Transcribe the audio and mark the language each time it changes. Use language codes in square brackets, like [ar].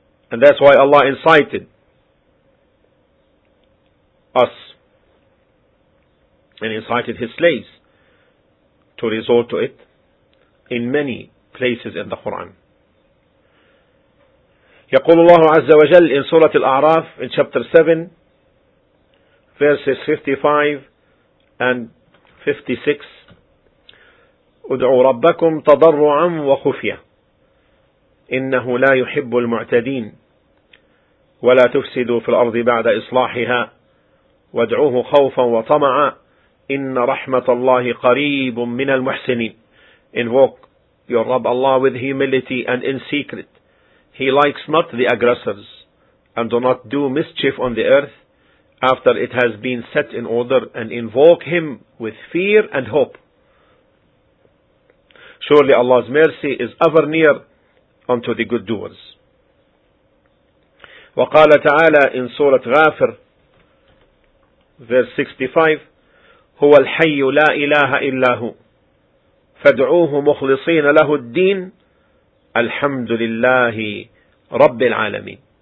[en] And that's why Allah incited us and incited his slaves to resort to it in many places in the Quran. [ar] يقول الله عز وجل [en] in [ar] سورة الأعراف [en] in chapter 7 verses 55 and 56 [ar] ادعوا ربكم تضرعا وخفيا إنه لا يحب المعتدين ولا تفسدوا في الأرض بعد إصلاحها وادعوه خوفا وطمعا إن رحمة الله قريب من المحسنين [en] invoke your Rabb Allah with humility and in secret. He likes not the aggressors, and do not do mischief on the earth after it has been set in order, and invoke him with fear and hope. Surely Allah's mercy is ever near unto the good doers. [ar] وقال تعالى [en] in Surah Ghafir, verse 65, [ar] هو الحي لا إله إلا هو فادعوه مخلصين له الدين الحمد لله رب العالمين.